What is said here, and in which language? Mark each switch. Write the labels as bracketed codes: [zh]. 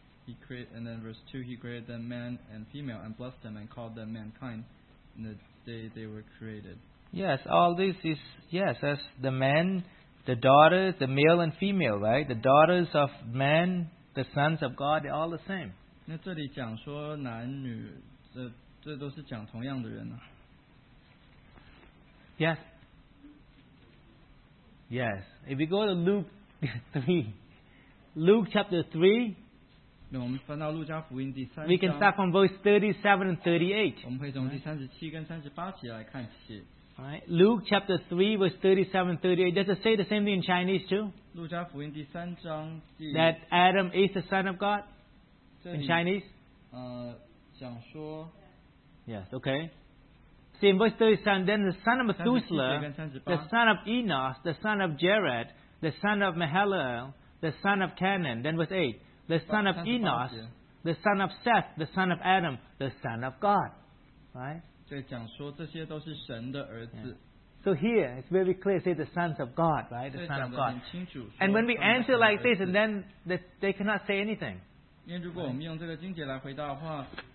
[en] He created, and then verse 2, he created them man and female and blessed them and called them mankind in the day they were created. Yes, all this is, yes, as the men, the daughters, the male and female, right? The daughters of man, the sons of God, they're all the same. [zh] 那这里讲说男女, 这都是讲同样的人啊。 [en] Yes. Yes. If we go to Luke 3, Luke chapter 3, [zh] 我们翻到路加福音第三章, [en] we can start from verse 37 and 38. [zh] 我们可以从第37跟38起来看起。 [en] Right. Luke chapter 3, verse 37 and 38. Does it say the same thing in Chinese too? [zh] 路加福音第三章第, [en] that Adam is the son of God? In Chinese? [zh] 讲说, [en] yes, okay. See, in verse 37, then the son of Methuselah, the son of Enos, the son of Jared, the son of Mahalalel, the son of Canaan, then verse 8, the son of Enos, the son of Seth, the son of Adam, the son of God. Right? [zh] 这讲说这些都是神的儿子。 [en] Yeah. So here, it's very clear, say the sons of God, right? The son of God. [zh] 这讲得很清楚, [en] and when we answer like this, and then they cannot say anything. [zh] 因为如果我们用这个经节来回答的话,